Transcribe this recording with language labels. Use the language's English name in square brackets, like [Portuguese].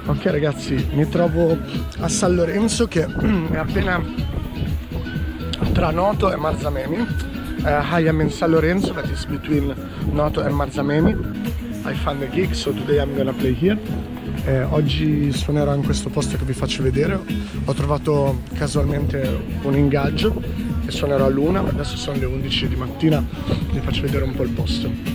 [Italian] ragazzi, mi trovo a San Lorenzo, che è appena tra Noto e Marzamemi. [English] I am in San Lorenzo, that is between Noto and Marzamemi. I found a gig, so today I'm gonna play here. [Italian] Oggi suonerò in questo posto che vi faccio vedere. Ho trovato casualmente un ingaggio e suonerò a l'una. Adesso sono le 11 di mattina, vi faccio vedere un po' il posto.